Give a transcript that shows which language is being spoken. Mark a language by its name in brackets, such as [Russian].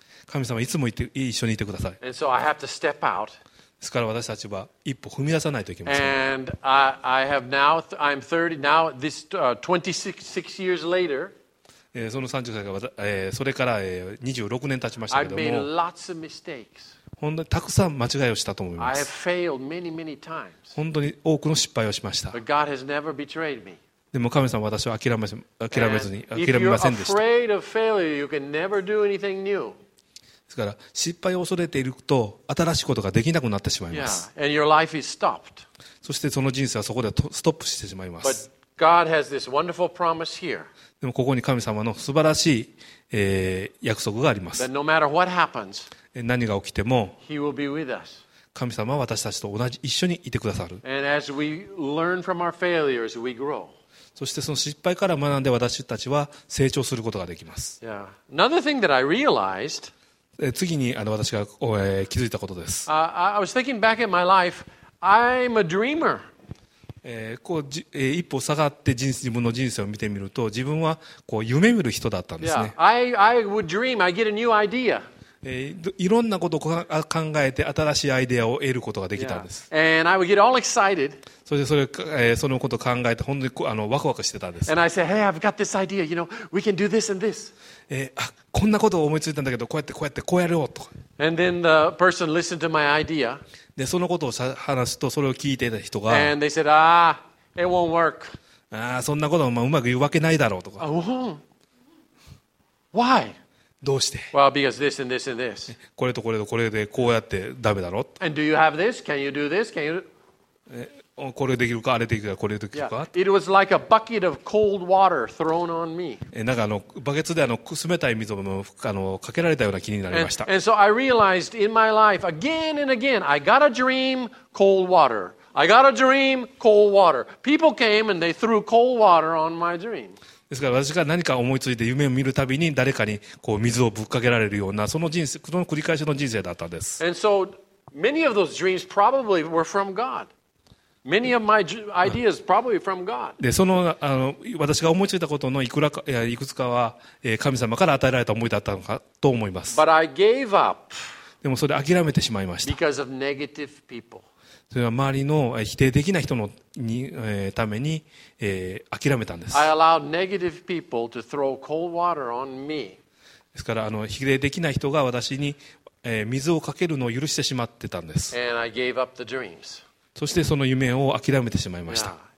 [Japanese] 神様はいつも一緒にいてください。 [English] And so I have to step out. [Japanese] ですから私たちは一歩踏み出さないといけません。 [English] And I have now, I'm 30, now this 26 years later, [Japanese] その30歳から、それから26年経ちましたけども、 [English] I've made lots of mistakes. [Japanese] 本当にたくさん間違いをしたと思います。 [English] I have failed many, many times. [Japanese] 本当に多くの失敗をしました。 [English] But God has never betrayed me. [Japanese] でも神様は私を諦めませんでした。 [English] And if you're afraid of failure, you can never do anything new. [Japanese] ですから失敗を恐れていると新しいことができなくなってしまいます。 [English] Yeah. And your life is stopped. [Japanese] そしてその人生はそこでストップしてしまいます。 [English] But God has this wonderful promise here. [Japanese] でもここに神様の素晴らしい、約束があります。 [English] No matter what happens, [Japanese] 何が起きても [English] He will be with us. [Japanese] 神様は私たちと同じ一緒にいてくださる。 [English] And as we learn from our failures, we grow. [Japanese] そしてその失敗から学んで私たちは成長することができます。 [English] Yeah. Another thing that I realized, [Japanese] 次に私が、気づいたことです。 [English] I was thinking back at my life. I'm a dreamer. [Japanese] 一歩下がって自分の人生を見てみると自分はこう夢見る人だったんですね。 [English] Yeah, I would dream, I get a new idea. [Japanese] いろんなことを考えて新しいアイデアを得ることができたんです。 [English] Yeah. And I would get all excited. [Japanese] そしてそのことを考えて本当にワクワクしてたんです。 [English] And I say, hey, I've got this idea, you know, we can do this and this. [Japanese] こんなことを思いついたんだけどこうやってこうやろうと。 [English] And then the person listened to my idea [Japanese] でそのことを話すとそれを聞いていた人が [English] And they said, ah, it won't work. [Japanese] そんなことはうまくいくわけないだろうとか [English] Why? [Japanese] どうして [English] well, because this and this and this. [Japanese] これとこれとこれでこうやってダメだろ [English] And do you have this? Can you do this? Can you... [Japanese] これできるかあれできるかこれできるか、yeah. [English] It was like a bucket of cold water thrown on me. [Japanese] なんかバケツで冷たい水もかけられたような気になりました。 [English] And so I realized in my life again and again, I got a dream, cold water. I got a dream, cold water. People came and they threw cold water on my dream. [Japanese] ですから私が何か思いついて夢を見るたびに誰かにこう水をぶっかけられるようなその人生その繰り返しの人生だったんです。 [English] And so many of those dreams probably were from God. Many of my ideas probably from God. [Japanese] で、その、私が思いついたことのいくつかは、神様から与えられた思いだったのかと思います。 [English] But I gave up. [Japanese] でもそれ諦めてしまいました。 [English] Because of negative people. [Japanese] それは周りの否定できない人のに、ために、諦めたんです。 [English] I allowed negative people to throw cold water on me. [Japanese] ですから、否定できない人が私に、水をかけるのを許してしまってたんです。 [English] And I gave up the dreams. [Japanese] そしてその夢を諦めてしまいました。